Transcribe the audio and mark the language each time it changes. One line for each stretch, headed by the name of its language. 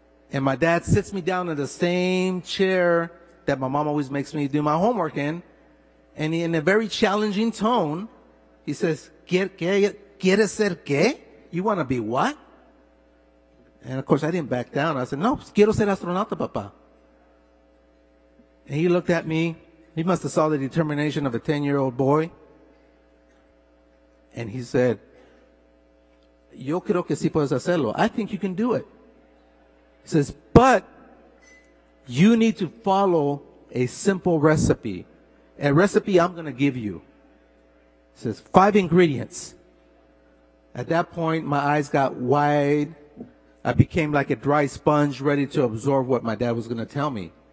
English: And my dad sits me down in the same chair that my mom always makes me do my homework in, and in a very challenging tone, he says,
Spanish: ¿Quieres ser qué?
English: You want to be what? And of course, I didn't back down. I said,
Spanish: no, quiero ser astronauta, papá.
English: And he looked at me. He must have saw the determination of a 10-year-old boy. And he said,
Spanish: yo creo que sí puedes hacerlo.
English: I think you can do it. He says, but you need to follow a simple recipe. A recipe I'm going to give you. It says, 5 ingredients. At that point, my eyes got wide. I became like a dry sponge ready to absorb what my dad was going to tell me.